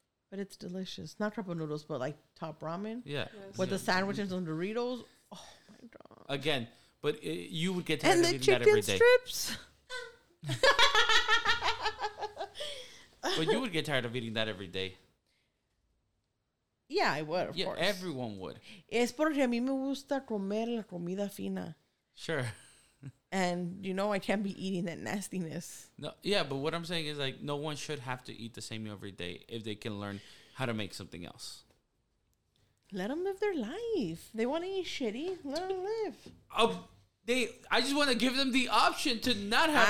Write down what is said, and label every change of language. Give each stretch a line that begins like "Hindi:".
English: But it's delicious. Not couple noodles, but like top ramen. Yeah. Yes. With the sandwiches and Doritos. Oh my God. Again, but you would get to and the chicken strips. But you would get tired of eating that every day. Yeah, I would, of course. Everyone would.
Spanish: Es porque a mí me gusta comer la comida fina.
English: Sure. And, you know, I can't be eating that nastiness. No, yeah, but what I'm saying is, like, no one should have to eat the same meal every day if they can learn how to make something else. Let them live their life. They want to eat shitty. Let them live. Oh, I just want to give them the option to not have